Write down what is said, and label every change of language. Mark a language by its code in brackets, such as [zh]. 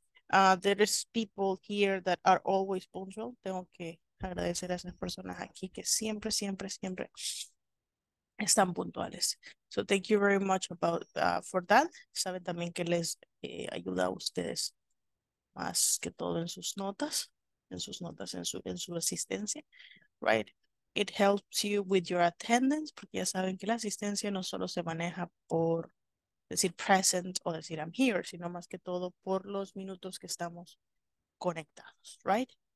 [en] There is people here that are always punctual. [es] Tengo que agradecer a esas personas aquí que siempre, siempre, siempre están puntuales. [en] So thank you very much about for that. [es] Saben también que les ayuda a ustedes más que todo en sus notas, en su asistencia, right? [en] It helps you with your attendance, [es] porque ya saben que la asistencia no solo se maneja por decir present o decir I'm here, sino más que todo por los minutos que estamos conectados, right?